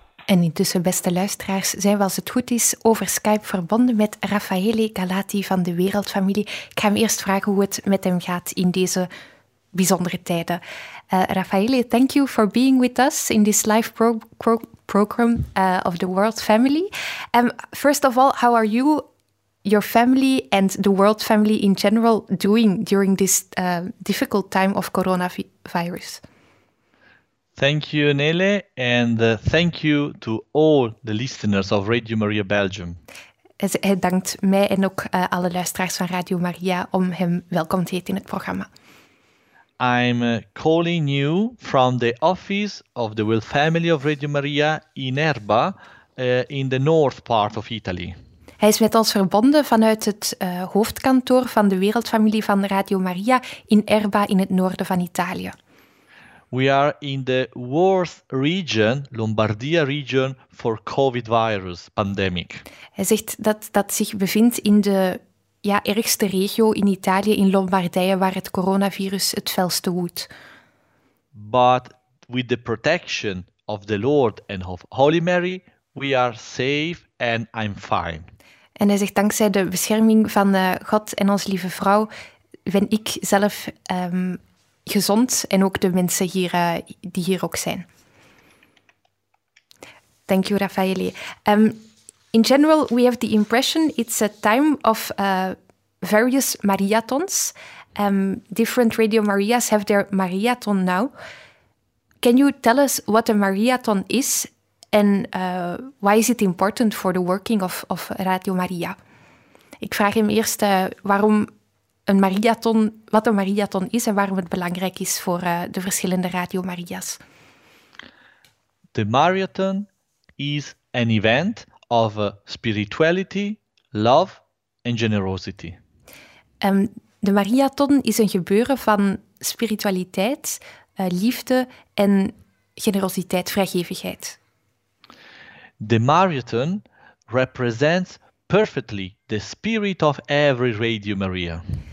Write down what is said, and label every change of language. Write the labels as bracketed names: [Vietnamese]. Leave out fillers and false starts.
[Dutch] En intussen, beste luisteraars, zijn we, als het goed is, over Skype verbonden met Raffaele Galati van de Wereldfamilie. Ik ga hem eerst vragen hoe het met hem gaat in deze bijzondere tijden. [English] Raffaele, thank you for being with us in this live program of the World Family. First of all, how are you, your family and the World Family in general doing during this difficult time of coronavirus? Thank you, Nele, and thank you to all the listeners of Radio Maria Belgium. [Dutch] Hij dankt mij en ook alle luisteraars van Radio Maria om hem welkom te heten in het programma. [English] I'm calling you from the office of the World Family of Radio Maria in Erba, in the north part of Italy. [Dutch] Hij is met ons verbonden vanuit het hoofdkantoor van de Wereldfamilie van Radio Maria in Erba in het noorden van Italië. [English] We are in the worst region, Lombardia region, for COVID virus pandemic. [Dutch] Hij zegt dat zich bevindt in de ergste regio in Italië, in Lombardije, waar het coronavirus het felste woedt. [English] But with the protection of the Lord and of Holy Mary, we are safe and I'm fine. [Dutch] En hij zegt, dankzij de bescherming van God en ons lieve vrouw, ben ik zelf gezond en ook de mensen hier die hier ook zijn. [English] Thank you, Raffaele. In general, we have the impression it's a time of various Mariathons. Different Radio Marias have their Mariathon now. Can you tell us what a Mariathon is and why is it important for the working of Radio Maria? [Dutch] Ik vraag hem eerst waarom een Mariathon, wat een Mariathon is en waarom het belangrijk is voor de verschillende Radio Maria's. [English] The Mariathon is an event of spirituality, love and generosity. [Dutch] De Mariathon is een gebeuren van spiritualiteit, liefde en generositeit, vrijgevigheid. [English] The Mariathon represents perfectly the spirit of every Radio Maria.